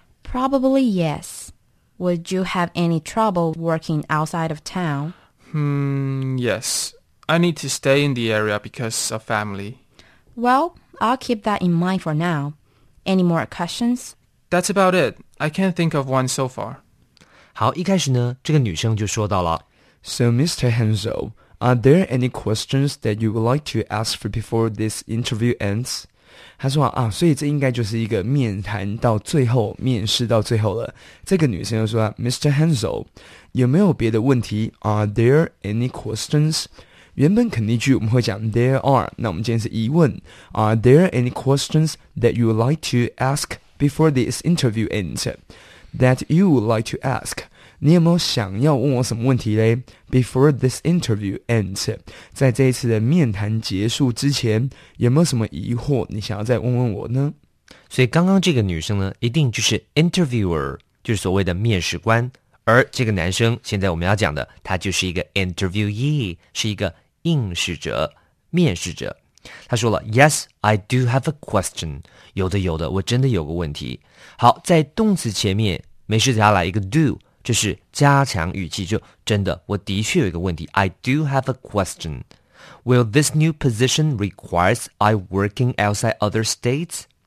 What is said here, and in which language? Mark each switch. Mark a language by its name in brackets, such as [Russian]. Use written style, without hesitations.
[English] Probably yes. Would you have any trouble working outside of town? Yes. I need to stay in the area because of family. Well, I'll keep that in mind for now. Any more questions? That's about it. I can't think of one so far. [Chinese] 好，一开始呢，这个女生就说到了。 [English] So, Mr. Hansel, are there any questions that you would like to ask for before this interview ends? [Chinese] 她说啊，所以这应该就是一个面谈到最后，面试到最后了。这个女生又说啊 ,Mr. Hansel, 有没有别的问题? [English] Are there any questions? [Chinese] 原本肯定句我们会讲 [English] there are, [Chinese] 那我们今天是疑问 [English] Are there any questions that you would like to ask before this interview ends? That you would like to ask, [Chinese] 你有没有想要问我什么问题呢 [English] Before this interview ends, [Chinese] 在这一次的面谈结束之前有没有什么疑惑你想要再问问我呢所以刚刚这个女生呢一定就是 interviewer, 就是所谓的面试官而这个男生现在我们要讲的他就是一个 interviewee, 是一个应试者面试者。他说了 [English] ,Yes, I do have a question. [Chinese] 有的有的我真的有个问题。好在动词前面没事加来一个 do, 这是加强语气就真的我的确有一个问题。 [English] I do have a question. Will this new position requires I working outside other states?